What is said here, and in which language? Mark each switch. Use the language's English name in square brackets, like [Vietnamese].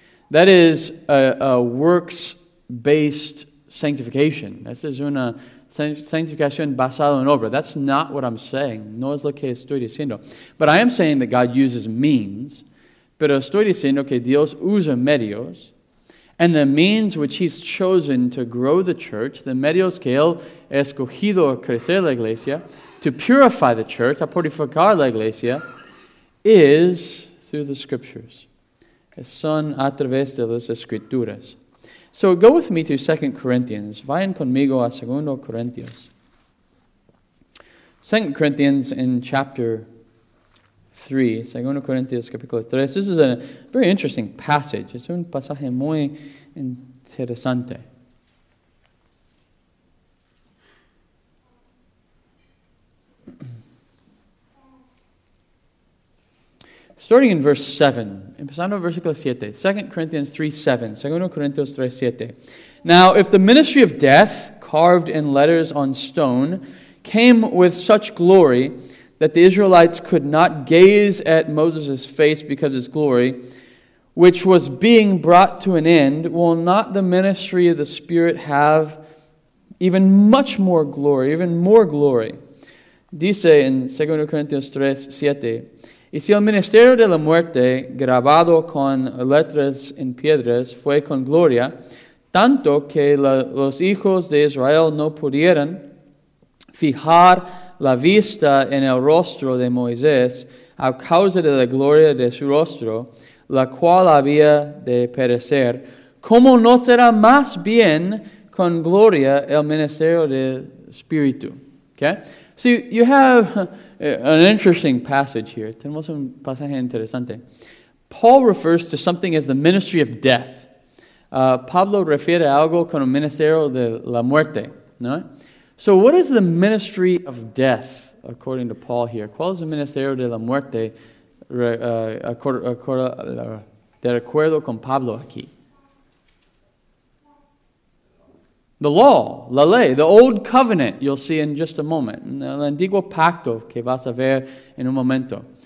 [English] That is a works-based sanctification. [Spanish] That's una sanctificación basada en obra. [English] That's not what I'm saying. [Spanish] No es lo que estoy diciendo. [English] But I am saying that God uses means. [Spanish] Pero estoy diciendo que Dios usa medios. [English] And the means which he's chosen to grow the church, the [Spanish] medios que él ha escogido a crecer la iglesia, [English] to purify the church, [Spanish] a purificar la iglesia, [English] is through the scriptures. [Spanish] Son a través de las escrituras. [English] So go with me to 2 Corinthians. [Spanish] Vayan conmigo a 2 Corinthians. [English] 2 Corinthians in chapter 3, [Spanish] 2 Corintios capítulo 3. [English] This is a very interesting passage. [Spanish] Es un pasaje muy interesante. [English] Starting in verse 7, [Spanish] empezando en versículo 7, [English] 2 Corinthians 3, 7, 2 Corinthians 3, 7. Now, if the ministry of death, carved in letters on stone, came with such glory that the Israelites could not gaze at Moses' face because of his glory, which was being brought to an end, will not the ministry of the Spirit have even much more glory, even more glory? [Spanish] Dice in 2 Corinthians 3, 7, y si el ministerio de la muerte, grabado con letras en piedras, fue con gloria, tanto que los hijos de Israel no pudieron fijar la vista en el rostro de Moisés a causa de la gloria de su rostro, la cual había de perecer, ¿cómo no será más bien con gloria el ministerio del Espíritu? [English] Okay? So you have an interesting passage here. [Spanish] Tenemos un pasaje interesante. [English] Paul refers to something as the ministry of death. [Spanish] Pablo refiere algo con el ministerio de la muerte. ¿No? [English] So what is the ministry of death, according to Paul here? [Spanish] ¿Cuál es el ministerio de la muerte, de acuerdo con Pablo aquí? [English] The law, [Spanish] la ley, [English] the old covenant, you'll see in just a moment. [Spanish] El antiguo pacto que vas a ver en un momento.